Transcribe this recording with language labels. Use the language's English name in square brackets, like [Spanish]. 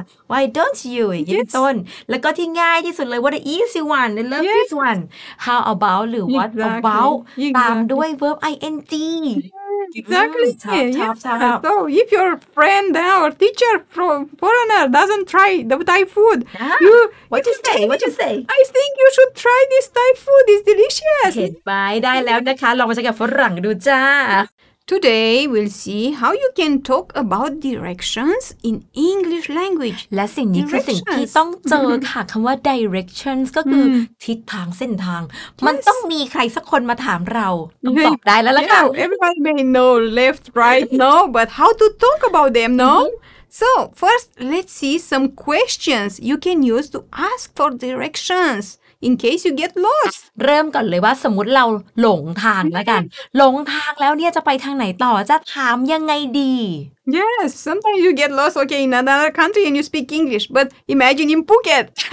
[English] why don't you [Thai] ยืนต้นแล้วก็ที่ง่ายที่สุดเลย [English] what the easy one I love this one how about หรือ what about [Thai] ตามด้วย [English] verb ing Exactly. Top. So if your friend now or teacher from foreigner doesn't try the Thai food, what you say? I think you should try this Thai food. It's delicious. Okay, bye. [Thai] ได้แล้วนะคะลองมาใช้กับฝรั่งดูจ้า [English] Today we'll see how you can talk about directions in English language. [Thai] และสิ่งนี้คือสิ่งที่ต้องเจอค่ะคำว่า directions ก็คือทิศทางเส้นทางมันต้องมีใครสักคนมาถามเราต้องตอบได้แล้วล่ะค่ะ [English] Everybody may know left, right, no, but how to talk about them, no? So first, let's see some questions you can use to ask for directions. In case you get lost [Thai] เริ่มก่อนเลยว่าสมมุติเราหลงทางแล้วกันหลงทางแล้วเนี่ยจะไปทางไหนต่อจะถามยังไงดี [English] Yes sometimes you get lost okay in another country and you speak English but imagine in Phuket